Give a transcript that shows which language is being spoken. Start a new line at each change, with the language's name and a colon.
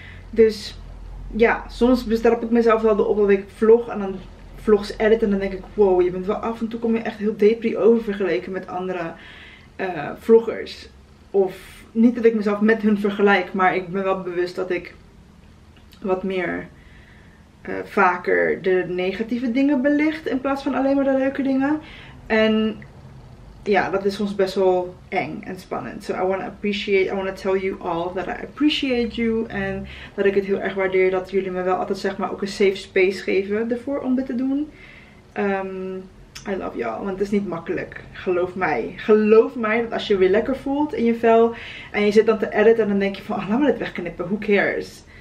Dutch: Dus ja, soms bestrap ik mezelf wel op dat ik vlog en dan vlogs edit en dan denk ik, wow, je bent wel af en toe kom je echt heel depri over vergeleken met andere vloggers. Of niet dat ik mezelf met hun vergelijk, maar ik ben wel bewust dat ik wat meer vaker de negatieve dingen belicht in plaats van alleen maar de leuke dingen. En ja, dat is soms best wel eng en spannend.
English: So I want to tell you all that I appreciate you.
Dutch: En dat ik het heel erg waardeer dat jullie me wel altijd zeg maar ook een safe space geven ervoor om dit te doen.
English: I love y'all,
Dutch: want het is niet makkelijk. Geloof mij. Geloof mij dat als je weer lekker voelt in je vel en je zit dan te editen en dan denk je van, oh, laat me dit wegknippen.
English: Who cares?